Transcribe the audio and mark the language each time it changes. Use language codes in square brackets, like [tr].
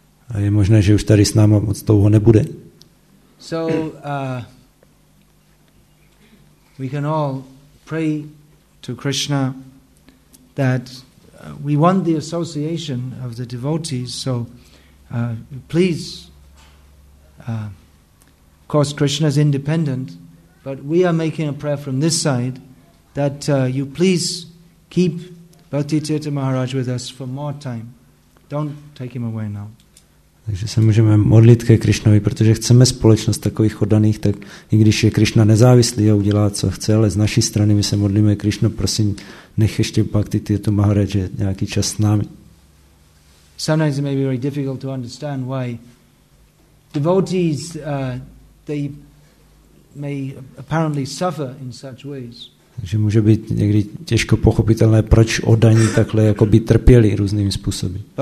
[cs] A je možné, že už tady s náma moc dlouho nebude. [en] So we can all pray to Krishna that we want the association of the devotees, so please, of course Krishna is independent, but we are making a prayer from this side that you please keep Bhakti Tirtha Maharaj with us for more time. Don't take him away now. [cs] Takže se můžeme modlit ke Krišnovi, protože chceme společnost takových oddaných, tak i když je Krišna nezávislý a udělá, co chce, ale z naší strany my se modlíme, Krišno, prosím, nech ještě pak ty Tirtha Maharaj nějaký čas s námi. [en] Sometimes it may be very difficult to understand why devotees they may apparently suffer in such ways. [cs] Takže může být někdy těžko pochopitelné, proč oddaní takhle jakoby trpěli různými způsoby.